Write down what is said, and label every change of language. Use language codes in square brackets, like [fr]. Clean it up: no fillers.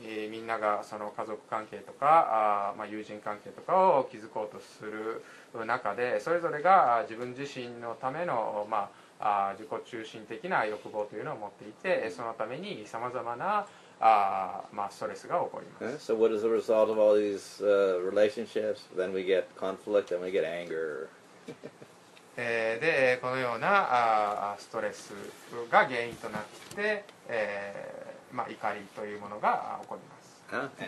[ja] みんながその家族関係とか、まあ、友人関係とかを築こうとする中でそれぞれが自分自身のための、まあ、自己中心的な欲望というのを持っていてそのためにさまざまな、まあ、ストレスが起こります。 [en] Okay. So what is the result of all these relationships? Then we get conflict and we get anger. [ja] でこのようなストレスが原因となって、まあ、怒りというものが起こります。